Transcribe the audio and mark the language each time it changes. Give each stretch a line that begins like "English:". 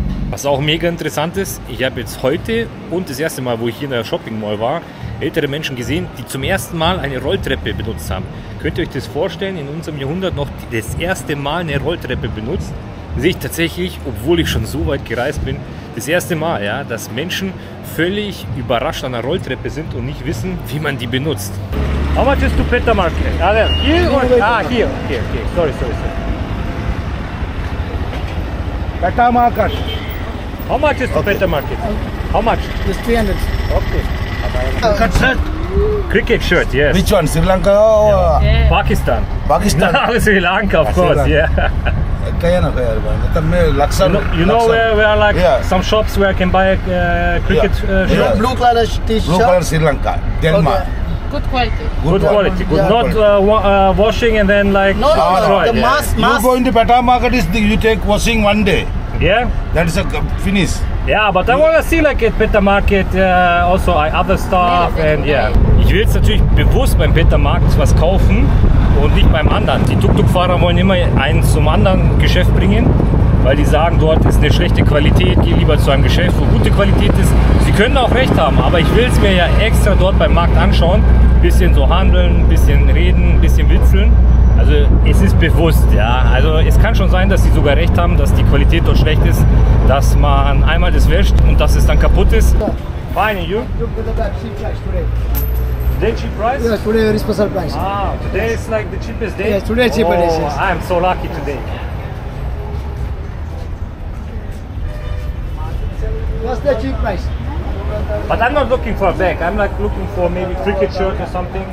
German: Was auch mega interessant ist, ich habe jetzt heute und das erste Mal, wo ich hier in der Shopping Mall war, ältere Menschen gesehen, die zum ersten Mal eine Rolltreppe benutzt haben. Könnt ihr euch das vorstellen, in unserem Jahrhundert noch das erste Mal eine Rolltreppe benutzt? Sehe ich tatsächlich, obwohl ich schon so weit gereist bin, das erste Mal, ja, dass Menschen völlig überrascht an einer Rolltreppe sind und nicht wissen, wie man die benutzt.
English: How much is to Peter Market?
German: Hier und hier. Okay, okay. Sorry.
English: Peter Market. How much is to Peter Market? How much? It's 300. Okay. Cricket shirt, yes. Which one? Sri Lanka or Pakistan? Pakistan. No, Sri Lanka, of course. Yeah. You know where are like some shops where I can buy a cricket shirt. Yeah. Blue color t-shirt. Blue color Sri Lanka, Denmark. Okay. Good quality. Good quality. Not washing and then like destroyed. No, mask. You go in the Peta Market, is you take washing one day. Yeah. That is a finish. Yeah, but I want to see like at Peter Market also other stuff and yeah.
German: Ich will jetzt natürlich bewusst beim Peter Markt was kaufen und nicht beim anderen. Die Tuk-Tuk-Fahrer wollen immer einen zum anderen Geschäft bringen, weil die sagen, dort ist eine schlechte Qualität, geh lieber zu einem Geschäft, wo gute Qualität ist. Sie können auch recht haben, aber ich will es mir ja extra dort beim Markt anschauen. Bisschen so handeln, bisschen reden, bisschen witzeln. Also es ist bewusst, ja. Also es kann schon sein, dass sie sogar recht haben, dass die Qualität dort schlecht ist, dass man einmal das wäscht und dass es dann kaputt ist.
English: Fine, you? You put it back, cheap cash today. Today cheap price? Yes, today very special price. Ah, today is like the cheapest day? Yes, today cheaper day. Oh, I am so lucky today. What's the cheap price? But I'm not looking for a bag. I'm like looking for maybe cricket shirt or something.